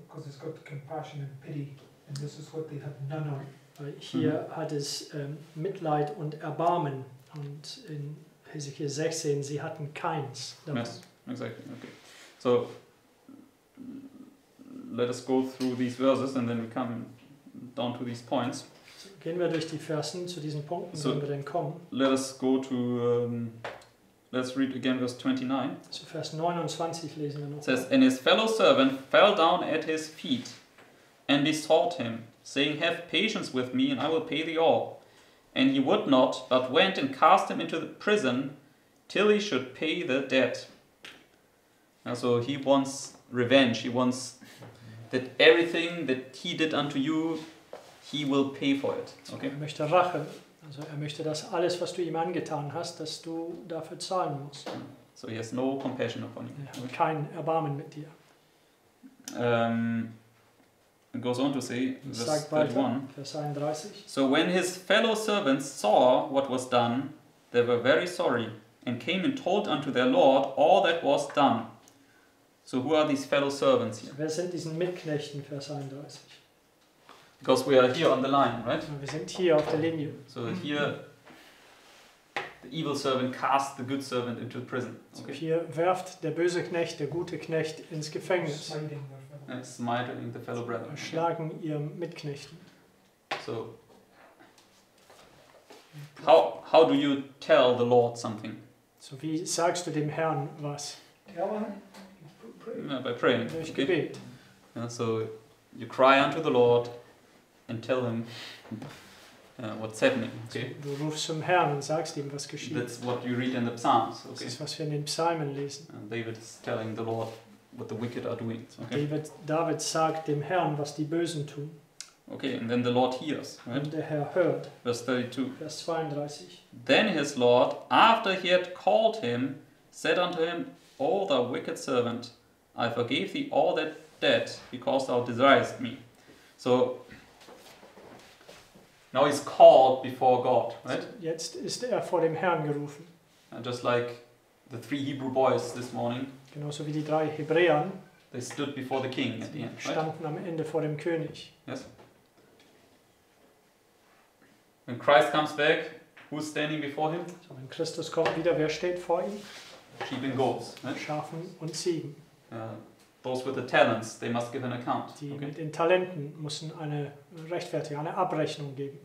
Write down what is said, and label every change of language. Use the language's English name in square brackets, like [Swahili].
[English] Because it's got compassion and pity, and this is what they have none of. [German] Weil hier hat es Mitleid und Erbarmen und in Hesekiel 16, sie hatten keins davon. [English] Yes, exactly. Okay. So, let us go through these verses and then we come down to these points. So, [German] gehen wir durch die Versen zu diesen Punkten, so, wenn wir dann kommen. [English] Let us go to, let's read again verse 29. [German] So, Vers 29 lesen wir noch. [English] It says, and his fellow servant fell down at his feet and besought him, saying, have patience with me and I will pay thee all. And he would not, but went and cast him into the prison till he should pay the debt. And so he wants revenge. He wants that everything that he did unto you, he will pay for it. Okay? [German] Er möchte Rache. Also er möchte, dass alles, was du ihm angetan hast, dass du dafür zahlen musst. [English] So he has no compassion upon you. [German] Er hat kein Erbarmen mit dir. [English] It goes on to say, verse 31. So when his fellow servants saw what was done, they were very sorry, and came and told unto their Lord all that was done. So who are these fellow servants here? [German] Wer sind diesen Mitknechten, Vers 31? [English] Because we are here on the line, right? [German] Wir sind hier auf der Linie. [English] So here, the evil servant cast the good servant into prison. Okay. [German] So hier werft der böse Knecht, der gute Knecht, ins Gefängnis. [English] And smiting the fellow brethren. [German] Schlagen ihr Mitknechten. [English] So, how do you tell the Lord something? [German] So wie sagst du dem Herrn was? [English] Tell him. Yeah, by praying. [German] Durch Gebet. [English] Yeah, so you cry unto the Lord and tell him what's happening. Okay. So, [German] du rufst zum Herrn und sagst ihm, was geschieht. [English] That's what you read in the Psalms. Okay. [German] Das ist, was wir in den Psalmen lesen. [English] And David is telling the Lord what the wicked are doing. Okay. [German] David sagt dem Herrn, was die Bösen tun. [English] Okay, and then the Lord hears. Right? [German] Und der Herr hört. [English] Verse 32. [German] Vers 32. [English] Then his Lord, after he had called him, said unto him, O thou wicked servant, I forgave thee all that debt, because thou desirest me. So, now he's called before God, right? [German] Jetzt ist er vor dem Herrn gerufen. [English] And just like the three Hebrew boys this morning, [German] genauso wie die drei Hebräern, [English] they stood before the king at the end, right? [German] Standen am Ende vor dem König. [English] Yes. When Christ comes back, who's standing before him? [German] So, wenn Christus kommt wieder, wer steht vor ihm? [English] Sheep and goats, right? [German] Schafen und Ziegen. [English] Those with the talents, they must give an account. [German] Die okay. Mit den Talenten müssen eine Rechtfertigung, eine Abrechnung geben.